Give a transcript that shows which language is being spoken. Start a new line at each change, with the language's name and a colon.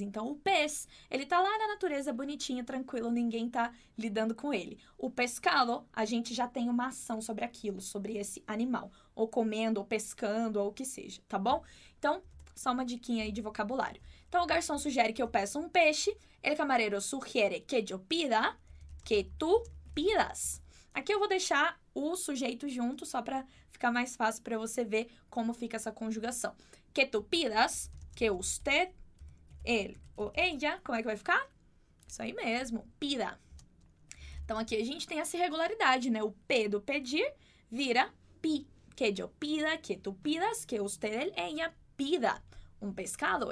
Portuguese: Então, o pez, ele tá lá na natureza, bonitinho, tranquilo, ninguém tá lidando com ele. O pescalo, a gente já tem uma ação sobre aquilo, sobre esse animal. Ou comendo, ou pescando, ou o que seja, tá bom? Então, só uma diquinha aí de vocabulário. Então, o garçom sugere que eu peça um peixe.
Spanish: El camarero sugiere que yo pida, que tú pidas.
Portuguese: Aqui eu vou deixar o sujeito junto, só para ficar mais fácil para você ver como fica essa conjugação.
Spanish: Que tú pidas, que usted, él o ella,
Portuguese: como é que vai ficar? Isso aí mesmo, pida. Então, aqui a gente tem essa irregularidade, né? O P do pedir vira pi.
Spanish: Que yo pida, que tú pidas, que usted, él, ella pida un pescado.